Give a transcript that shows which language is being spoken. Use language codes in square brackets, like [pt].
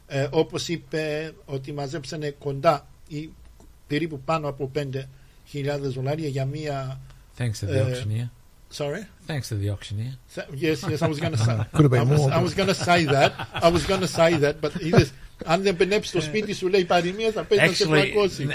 [el] Όπως είπε, ότι μαζέψανε κοντά ή περίπου πάνω από 5.000 δολάρια για μία... [en] Thanks to the auctioneer. Sorry? Thanks to the auctioneer. Yes, I was going to say that. I was going to say that, but he just... [el] Αν δεν πενέψει το σπίτι σου, λέει, η παροιμία θα πέσει να σε πλακώσει.